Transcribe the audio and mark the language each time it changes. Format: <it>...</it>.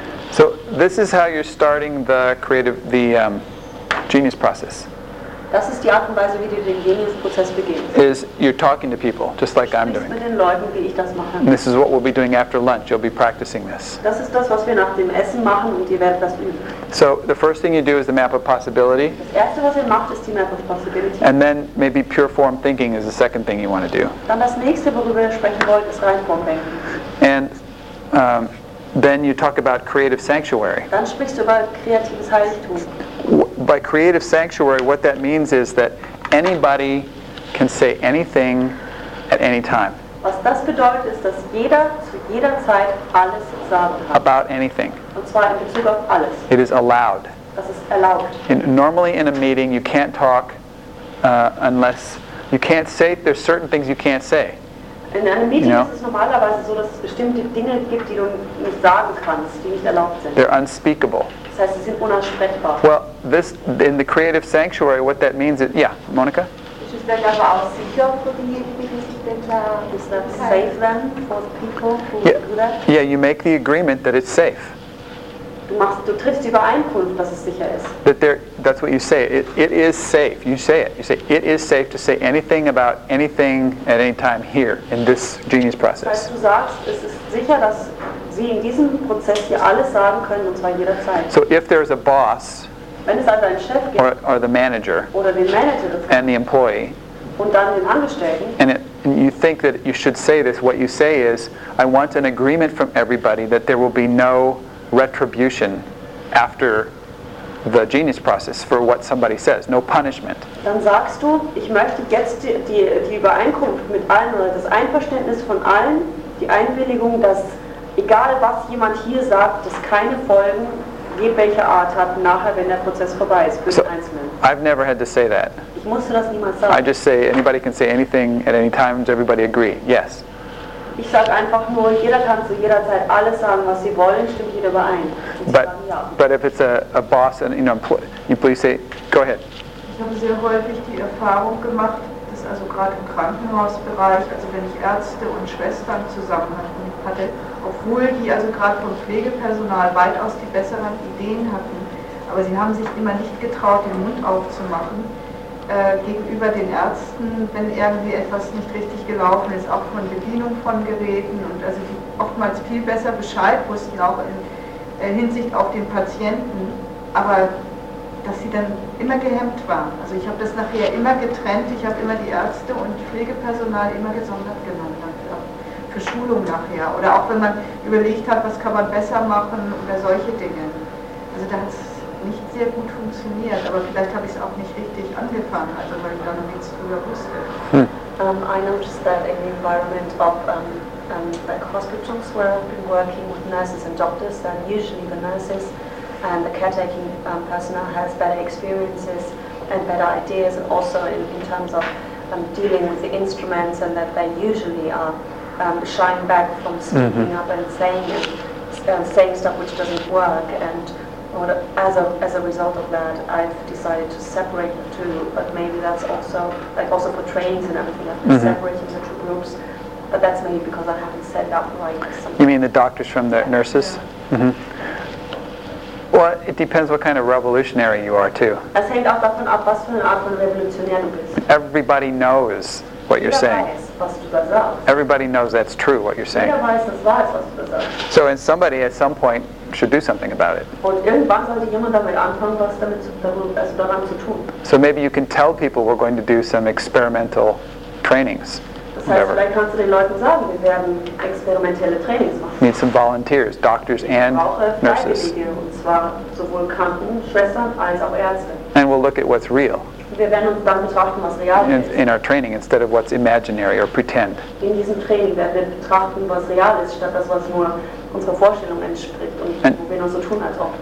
<en>So this is how you're starting the creative, the genius process.</en> <de>Das ist die Art und Weise, wie du den Genius-Prozess beginnst.</de> <en>Is you're talking to people, just like I'm doing.</en> <de>Mit den Leuten, wie ich das mache.</de> <en>And this is what we'll be doing after lunch. You'll be practicing this.</en> <de>Das ist das, was wir nach dem Essen machen, und ihr werdet das üben.</de> <en>So the first thing you do is the map of possibility.</en> <de>Das erste, was ihr macht, ist die Map of Possibility.</de> <en>And then maybe pure form thinking is the second thing you want to do.</en> <de>Dann das nächste, worüber wir sprechen wollen, ist Reinformdenken.</de> <en>And then you talk about creative sanctuary.</en> <de>Dann sprichst du über kreatives Heiligtum.</de> <en>By creative sanctuary, what that means is that anybody can say anything at any time.</en> <de>Was das bedeutet, ist, dass jeder zu jeder Zeit alles sagen kann.</de> <en>About anything.</en> <de>Und zwar in Bezug auf alles.</de> <en>It is allowed.</en> <de>Das ist erlaubt.</de> <en>Normally in a meeting, you can't talk unless you can't say, there's certain things you can't say.</en> <de>In einem Meeting,</de> <en>you know,</en> <de>ist es normalerweise so, dass es bestimmte Dinge gibt, die du nicht sagen kannst, die nicht erlaubt sind.</de> <en>They're unspeakable.</en> <de>Das heißt, sie sind unaussprechbar.</de> <en>Well, this in the creative sanctuary, what that means is, yeah, Monica?</en> <de>Ist es dann aber auch sicher für diejenigen, die sich denn da, ist das</de> <en>safe then for the people who yeah. do that? Yeah, you make the agreement that it's safe.</en> <de>Du triffst die Übereinkunft, dass es sicher ist.</de> <en>That there, that's what you say. It is safe. You say it. You say, it is safe to say anything about anything at any time here in this genius process.</en> <de>Das heißt, du sagst, es ist sicher, dass sie in diesem Prozess hier alles sagen können, und zwar jederzeit.</de> <en>So if there is a boss,</en> <de>wenn es also einen Chef gibt,</de> <en>or the manager,</en> <de>oder den Manager,</de> <en>and the employee,</en> <de>und dann den Angestellten,</de> <en>and you think that you should say this, what you say is, I want an agreement from everybody that there will be no retribution after the genius process for what somebody says, no punishment.</en> <de>Dann sagst du, ich möchte jetzt die Übereinkunft mit allen oder das Einverständnis von allen, die Einwilligung, dass egal was jemand hier sagt, dass keine Folgen je welcher Art hat nachher, wenn der Prozess vorbei ist, für so, den Einzelnen.</de> <en>I've never had to say that.</en> <de>Ich musste das niemals sagen.</de> <en>I just say anybody can say anything at any time, does everybody agree? Yes.</en> <de>Ich sage einfach nur, jeder kann zu jeder Zeit alles sagen, was sie wollen, stimmt jeder überein.</de> <en>But if it's a boss, and you know, employee, please say, go ahead.</en> <de>Ich habe sehr häufig die Erfahrung gemacht, dass also gerade im Krankenhausbereich, also wenn ich Ärzte und Schwestern zusammen hatte, obwohl die also gerade vom Pflegepersonal weitaus die besseren Ideen hatten, aber sie haben sich immer nicht getraut, den Mund aufzumachen, gegenüber den Ärzten, wenn irgendwie etwas nicht richtig gelaufen ist, auch von Bedienung von Geräten, und also die oftmals viel besser Bescheid wussten, auch in Hinsicht auf den Patienten, aber dass sie dann immer gehemmt waren. Also ich habe das nachher immer getrennt, ich habe immer die Ärzte und Pflegepersonal immer gesondert genommen dafür, für Schulung nachher. Oder auch wenn man überlegt hat, was kann man besser machen oder solche Dinge. Also da hat's nicht sehr gut funktioniert, aber vielleicht habe ich es auch nicht richtig angefangen, also weil ich da noch nichts drüber wusste.</de> <en>I noticed that in the environment of like hospitals where I've been working with nurses and doctors, then usually the nurses and the caretaking personnel has better experiences and better ideas, and also in terms of dealing with the instruments, and that they usually are shying back from speaking mm-hmm. up and saying stuff which doesn't work. And as a result of that, I've decided to separate the two, but maybe that's also, like also for trainings and everything, I've been mm-hmm. separating the two groups, but that's maybe because I haven't set up right. You mean the doctors from the nurses? Yeah. Mm-hmm. Well, it depends what kind of revolutionary you are, too.</en> <de>Es hängt auch davon ab, was für eine Art von Revolutionär du bist.</de> <en>Everybody knows what you're saying.</en> <de>Jeder weiß, was du da sagst.</de> <en>Everybody knows that's true, what you're saying.</en> <de>Jeder weiß, das weiß, was du da sagst.</de> <en>So, and somebody at some point should do something about it.</en> <de>Und irgendwann sollte jemand damit anfangen, was damit daran zu tun.</de> <en>So maybe you can tell people we're going to do some experimental trainings.</en> <de>Das heißt, vielleicht kannst du den Leuten sagen, wir werden experimentelle Trainings machen.</de> <en>Need some volunteers, doctors and nurses.</en> <de>Ich brauche Freiwillige, und zwar sowohl Kranken, Schwestern als auch Ärzte.</de> <en>And we'll look at what's real.</en> <de>Wir werden uns dann betrachten, was real ist.</de> <en>In our training, instead of what's imaginary or pretend.</en> <de>In diesem Training werden wir betrachten, was real ist, statt das, was nur unserer Vorstellung entspricht und wo wir nur so tun, als ob.</de>